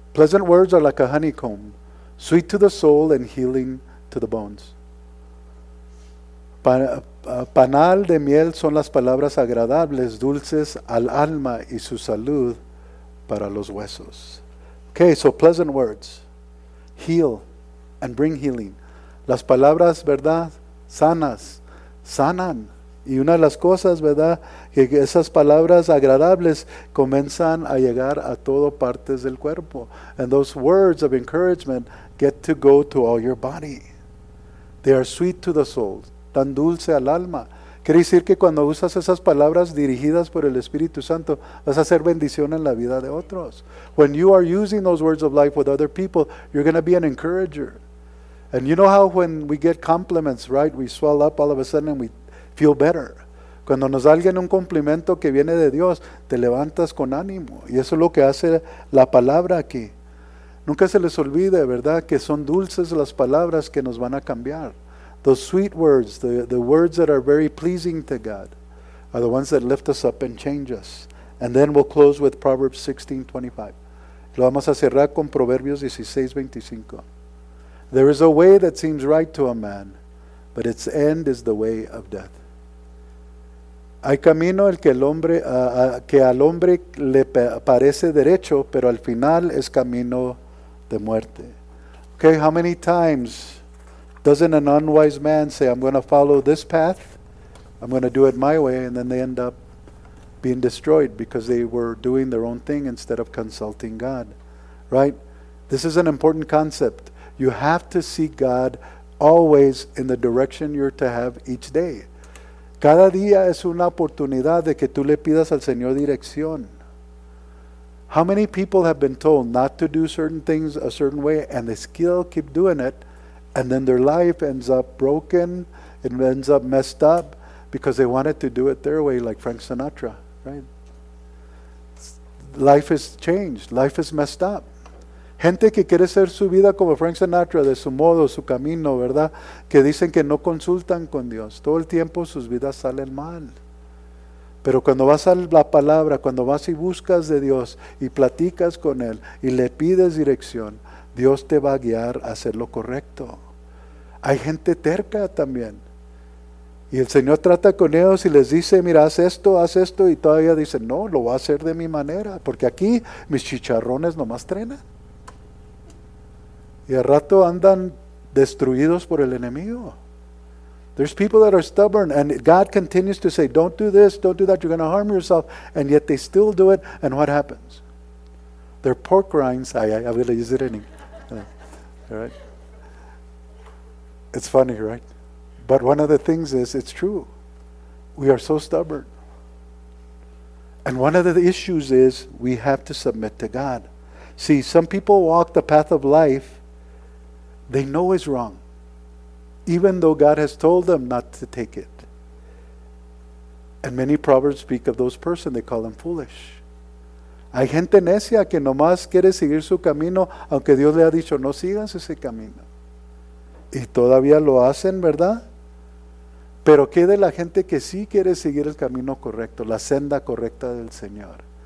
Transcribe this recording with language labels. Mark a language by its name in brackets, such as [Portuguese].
[English] Pleasant words are like a honeycomb, sweet to the soul and healing to the bones. [Spanish] Panal de miel son las palabras agradables, dulces al alma y su salud para los huesos. [English] Okay, so pleasant words. Heal and bring healing. [Spanish] Las palabras, ¿verdad? Sanas. Sanan. Y una de las cosas, ¿verdad? Que esas palabras agradables comienzan a llegar a todo partes del cuerpo. [English] And those words of encouragement get to go to all your body. They are sweet to the soul. [Spanish] Tan dulce al alma. Quiere decir que cuando usas esas palabras dirigidas por el Espíritu Santo, vas a hacer bendición en la vida de otros. [English] When you are using those words of life with other people, you're going to be an encourager. And you know how when we get compliments, right? We swell up all of a sudden and we feel better. [Spanish] Cuando nos da alguien un cumplimiento que viene de Dios, te levantas con ánimo. Y eso es lo que hace la palabra aquí. Nunca se les olvide, ¿verdad? Que son dulces las palabras que nos van a cambiar. [English] Those sweet words, the words that are very pleasing to God, are the ones that lift us up and change us. And then we'll close with Proverbs 16:25. [Spanish] Lo vamos a cerrar con Proverbios 16:25. [English] There is a way that seems right to a man, but its end is the way of death. [Spanish] Hay camino el que el hombre que al hombre le parece derecho, pero al final es camino de muerte. [English] Okay, how many times doesn't an unwise man say, I'm going to follow this path, I'm going to do it my way, and then they end up being destroyed because they were doing their own thing instead of consulting God, right? This is an important concept. You have to seek God always in the direction you're to have each day. [Spanish] Cada día es una oportunidad de que tú le pidas al Señor dirección. [English] How many people have been told not to do certain things a certain way, and they still keep doing it, and then their life ends up broken, it ends up messed up, because they wanted to do it their way, like Frank Sinatra, right? Life is changed. Life is messed up. [Spanish] Gente que quiere hacer su vida como Frank Sinatra, de su modo, su camino, ¿verdad? Que dicen que no consultan con Dios. Todo el tiempo sus vidas salen mal. Pero cuando vas a la palabra, cuando vas y buscas de Dios y platicas con Él y le pides dirección, Dios te va a guiar a hacer lo correcto. Hay gente terca también. Y el Señor trata con ellos y les dice, mira, haz esto, y todavía dicen, no, lo voy a hacer de mi manera, porque aquí mis chicharrones nomás trenan. Y al rato andan destruidos por el enemigo. [English] There's people that are stubborn, and God continues to say, don't do this, don't do that, you're going to harm yourself, and yet they still do it, and what happens? They're pork rinds. I will use it anyway. All right. It's funny, right? But one of the things is, it's true. We are so stubborn. And one of the issues is, we have to submit to God. See, some people walk the path of life, they know it's wrong, even though God has told them not to take it. And many proverbs speak of those persons, they call them foolish. [Spanish] Hay gente necia que nomás quiere seguir su camino, aunque Dios le ha dicho, no sigas ese camino. Y todavía lo hacen, ¿verdad? Pero ¿qué de la gente que sí quiere seguir el camino correcto, la senda correcta del Señor?